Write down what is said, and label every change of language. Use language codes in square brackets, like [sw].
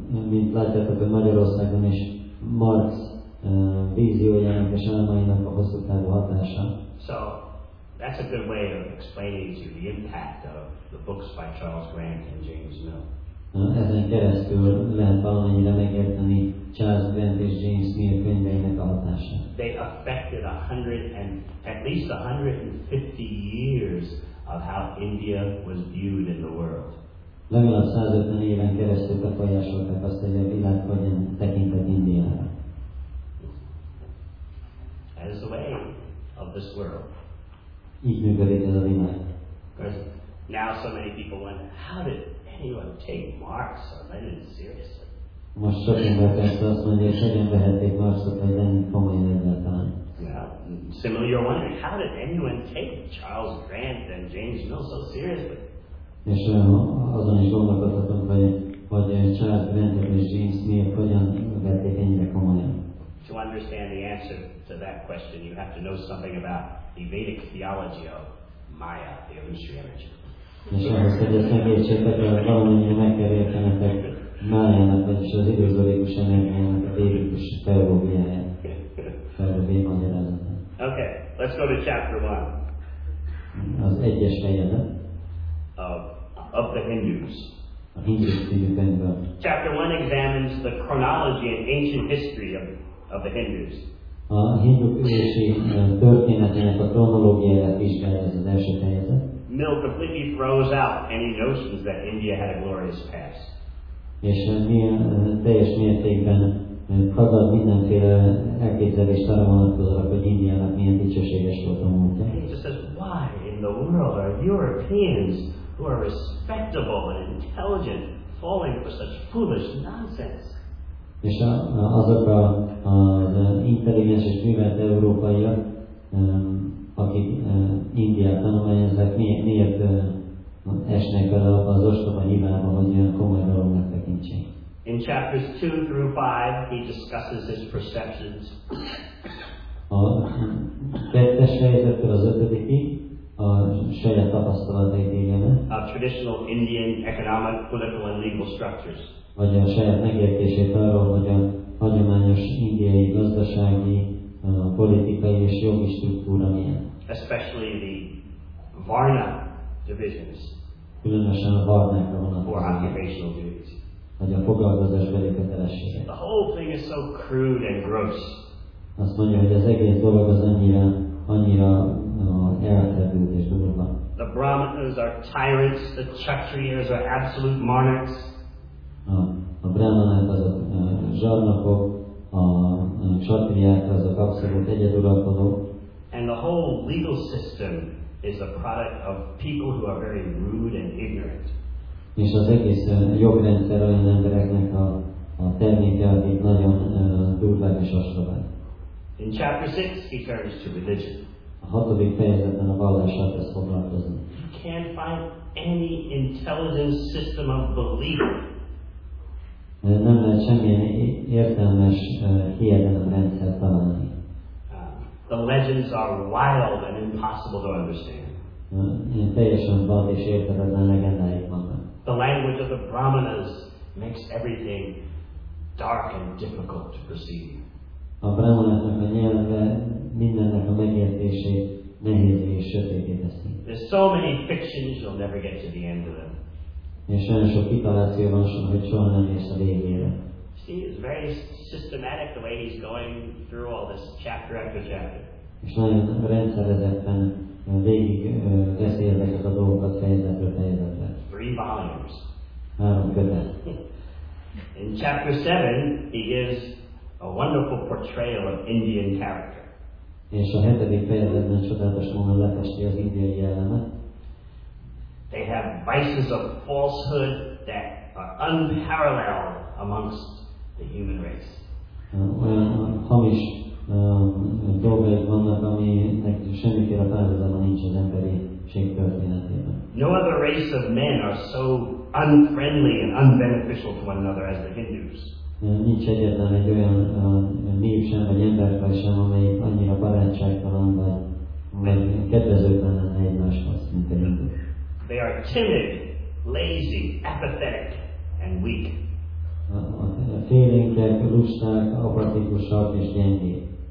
[hu] Mint látjátok, hogy Magyarországon is Marx víziójának és álmainak a hosszú távú hatása. [en] So, that's a good way of explaining to you the impact of the books by Charles Grant and James Mill. [hu] Ezen keresztül lehet valamennyire megérteni Charles Grant és James Mill könyveinek a hatása. [en] They affected at least 150 years of how India was viewed in the world. [hu] Legalább 150 éven keresztül befolyásolták azt, hogy a világ hogyan tekintett Indiára. [en] That is the way of this world. [hu] Így működik ez a világ. [en] Now so many people went, how did anyone take Marx or Lenin seriously? [hu] Most sok ember persze azt mondja, hogy hogyan vehették Marxot vagy Lenin komolyan egyáltalán. [en] Yeah. Similarly, you're wondering, how did anyone take Charles Grant and James Mill so seriously? [hu] És azon is gondolkodhatok, hogy Charles Grant és James Mill hogyan vették ennyire komolyan. [en] To understand the answer to that question, you have to know something about the Vedic theology of Maya, the illusory image. [hu] És ahhoz, hogy ezt megértsétek, valamennyire meg kell értenetek Májának, vagyis az igazolikus energiának a vérikus teológiáját. [en] Okay, let's go to chapter 1. [hu] Az egyes fejezet. [en] Of the Hindus. [hu] A Hindus könyvben. [en] Chapter 1 examines the chronology and ancient history of the Hindus. [hu] A hindu ősi történetének a kronológiáját vizsgálja az első fejezet. [en] Mill completely throws out any notions that India had a glorious past. [hu] És teljes mértékben hazad mindenféle elképzelést arra vonatkozóak, hogy Indiának milyen dicsőséges volt a múltja. [en] He just says, why in the world are Europeans who are respectable and intelligent falling for such foolish nonsense? [hu] És azok az intelligens és művelt európaiak, akik Indiát tanulmányoznak, miért esnek bele az ostoba hibába, hogy olyan komoly dolognak tekintsék. [en] In chapters 2 through 5, he discusses his perceptions. [hu] A kettes fejezettől az ötödikig a saját tapasztalatait igényel. [en] Of traditional Indian economic, political and legal structures. [hu] Vagy a saját megértését arról, hogy a hagyományos indiai gazdasági, politikai és jogi struktúra milyen. [en] Especially the Varna divisions. [hu] Különösen a Varna-kra vonatkozóan. Hogy a foglalkozásbeli kötelessége. [en] The whole thing is so crude and gross. [hu] Azt mondja, hogy az egész dolog az annyira elterült és durva. [en] The Brahmanas are tyrants, the Kshatriyas are absolute monarchs. [hu] A Brahmanák azok zsarnokok, a Kshatriyák azok abszolút egyeduralkodók. [en] And the whole legal system is a product of people who are very rude and ignorant. [hu] És az egész jogrendszer olyan embereknek a terméke, akik nagyon durván és ostobán. [en] In chapter 6, he turns to religion. [hu] A hatodik fejezetben a vallással kezd foglalkozni. [en] You can't find any intelligent system of belief. [hu] Nem lehet semmilyen értelmes hiedelem rendszer találni. [en] The legends are wild and impossible to understand. [hu] Teljesen vad és értelmetlen legendáik vannak. [en] The language of the Brahmanas makes everything dark and difficult to perceive. [hu] A Brahmanáknak a nyelve mindennek a megértését nehézé és sötétté teszi. [en] There's so many fictions you'll never get to the end of them. [hu] És olyan sok kitaláció van, hogy soha nem érsz a végére. [en] See, it's very systematic the way he's going through all this chapter after chapter. [hu] És nagyon rendszerezetten végig teszi ezeket a dolgokat fejezetről fejezetre. [en] Three volumes. [hu] Három kötet. [en] In chapter 7, he gives a wonderful portrayal of Indian character. [hu] És a hetedik fejezetben csodálatos módon lefesti az indiai jellemet. [en] They have vices of falsehood that are unparalleled amongst the human race. [hu] Olyan hamis dolgok vannak, aminek semmiféle párhuzama nincs az emberiség történetében. [en] No other race of men are so unfriendly and unbeneficial to one another as the Hindus. [hu] Nincs egyetlen egy olyan nép sem, vagy emberfaj sem, amely annyira barátságtalan, vagy kedvezőtlen lenne egymáshoz, mint a Hindus. [en] They are timid, lazy, apathetic, and weak. [hu] Félénkek, lusták, apatikusak és gyengék.